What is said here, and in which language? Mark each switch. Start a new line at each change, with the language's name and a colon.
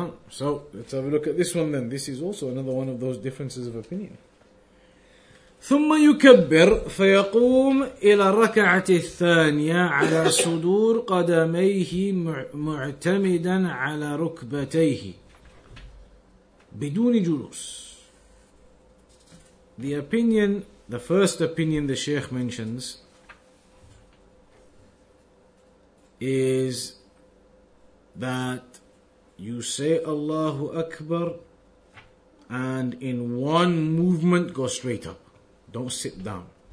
English: So let's have a look at this one then. This is also another one of those differences of opinion.
Arabic: ثم يكبر فيقوم إلى الركعة الثانية على صدور قدميه معتمدا على ركبتيه بدون جلوس.
English: The opinion, the first opinion the Shaykh mentions is that you say Allahu Akbar and in one movement go straight up. Don't sit down.